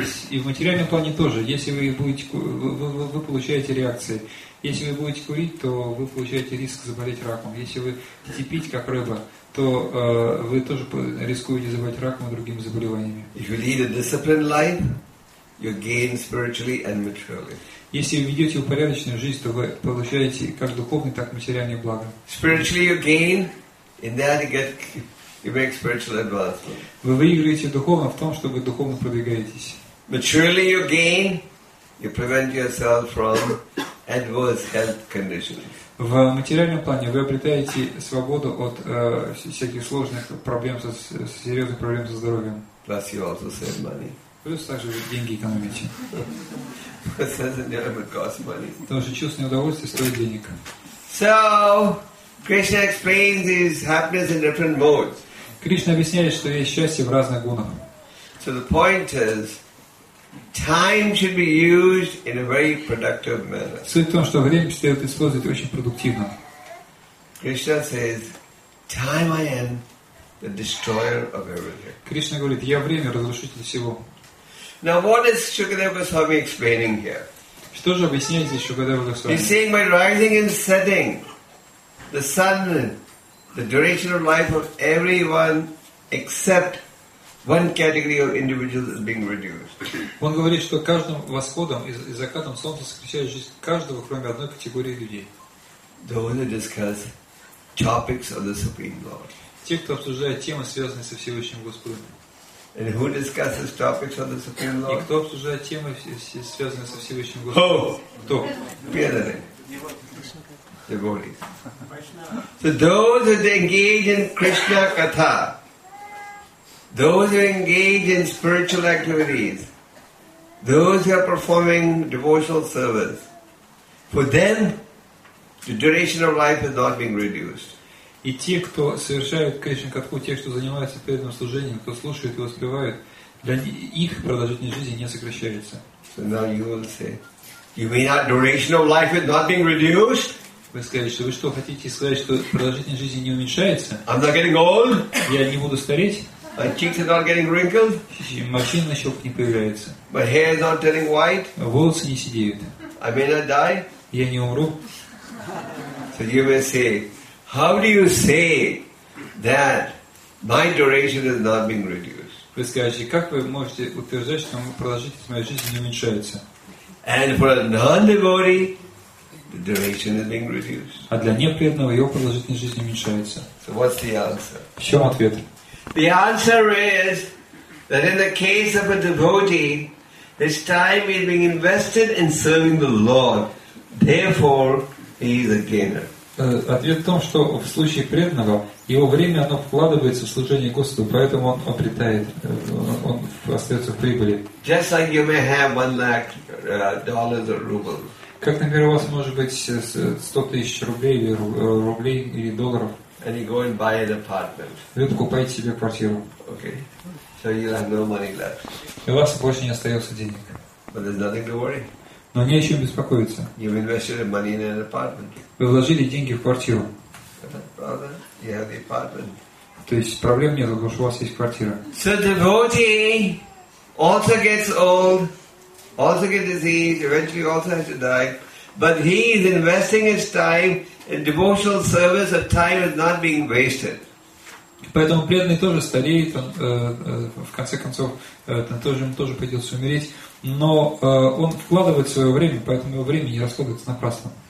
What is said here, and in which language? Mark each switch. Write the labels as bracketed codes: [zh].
[ru] И в материальном плане тоже. Если вы будете, вы получаете реакции. Если вы будете курить, то вы получаете риск заболеть раком. Если вы будете пить, как рыба, то вы тоже рискуете заболеть раком и другими заболеваниями. [en] If you lead a disciplined life, you gain spiritually and materially. [ru] Если вы ведете упорядоченную жизнь, то вы получаете как духовные, так и материальные блага. [en] Spiritually you gain, in that you make spiritual advancement. [ru] Вы выигрываете духовно в том, что вы духовно продвигаетесь. [en] Materially you gain, you prevent yourself from adverse health conditions. [ru] В материальном плане вы обретаете свободу от всяких сложных проблем, серьезных проблем со здоровьем. [en] Plus you also save money. [ru] Плюс также вы деньги экономите. Потому что чувственное удовольствие стоит денег. [en] So, Krishna explains his happiness in different modes. [ru] Кришна объясняет, что есть счастье в разных гунах. [en] So the point is, time should be used in a very productive manner. [ru] Суть в том, что время следует использовать очень продуктивно. [en] Krishna says, time I am the destroyer of everything. [ru] Кришна говорит, я время, разрушитель всего. [en] Now what is Shukadeva Goswami explaining here? [ru] Что же объясняет здесь Шукадева Госвами? [en] He's saying by rising and setting, the sun, the duration of life of everyone except one category of individuals is being reduced. [ru] Он говорит, что каждым восходом и закатом солнца сокращает жизнь каждого, кроме одной категории людей. [en] Those who discuss topics of the Supreme Lord. [ru] Те, кто обсуждает темы, связанные со Всевышним Господом. [en] And who discusses topics of the Supreme Lord? [ru] И кто обсуждает темы, связанные со Всевышним Господом? Oh, кто? Преданные. [en] Devotees. So those who engage in Krishna Katha, those who engage in spiritual activities, those who are performing devotional service, for them, the duration of life is not being reduced. [ru] И те, кто совершают кришна-катху, те, кто занимается преданным служением, кто слушает и воспевает, для их продолжительность жизни не сокращается. [en] So now you will say, you mean that duration of life is not being reduced? [ru] Вы скажете, что вы что, хотите сказать, что продолжительность жизни не уменьшается? [en] I'm not getting old. [ru] Я не буду стареть. [en] My cheeks are not getting wrinkled. [ru] Морщин на щеках не появляется. [en] My hair is not turning white. [ru] Волосы не седеют. [en] I may not die. [ru] Я не умру. [en] So you may say, how do you say that my duration is not being reduced? [ru] Вы скажете, как вы можете утверждать, что продолжительность моей жизни не уменьшается? [en] And for a non-devotee, the duration is being reduced. [ru] А для непреданного его продолжительность жизни уменьшается. [en] So what's the answer? [ru] В чем ответ? [en] The answer is that in the case of a devotee, his time is being invested in serving the Lord. Therefore, he is a gainer. [ru] Ответ в том, что в случае преданного его время оно вкладывается в служение Господу, поэтому он обретает, он остается в прибыли. [en] Just like you may have 1 lakh dollars or rubles. [ru] Как, например, у вас может быть 100 000 рублей или рублей или долларов. [en] And you go and buy an apartment. [ru] Вы покупаете себе квартиру. [en] Okay. So you have no money left. [ru] И у вас больше не остается денег. [en] But there's nothing to worry. [ru] Но не о чем беспокоиться. [en] You've invested money in an apartment. [ru] Вы вложили деньги в квартиру. [en] Brother, you have the apartment. [ru] То есть проблем нет, потому что у вас есть квартира. [en] So devotee also gets old, also gets disease, eventually also has to die. But he is investing his time in devotional service, and time is not being wasted. [ru] Поэтому преданный тоже стареет, он в конце концов ему тоже придется умереть, но он вкладывает свое время, поэтому его время не расходуется напрасно.